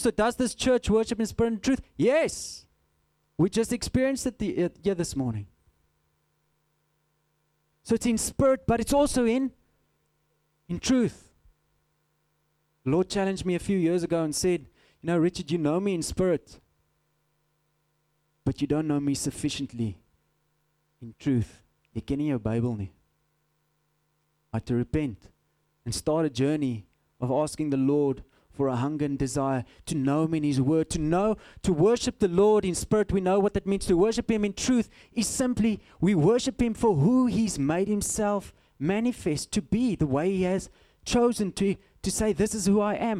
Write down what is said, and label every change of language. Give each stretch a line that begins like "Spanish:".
English: So does this church worship in spirit and truth? Yes. We just experienced it this morning. So it's in spirit, but it's also in truth. The Lord challenged me a few years ago and said, you know, Richard, you know me in spirit, but you don't know me sufficiently in truth,
Afrikaans: jy ken nie jou Bybel nie.
English: But to repent and start a journey of asking the Lord for a hunger and desire to know Him in His Word, to know, to worship the Lord in spirit. We know what that means. To worship Him in truth is simply we worship Him for who He's made Himself manifest to be, the way He has chosen to say, this is who I am.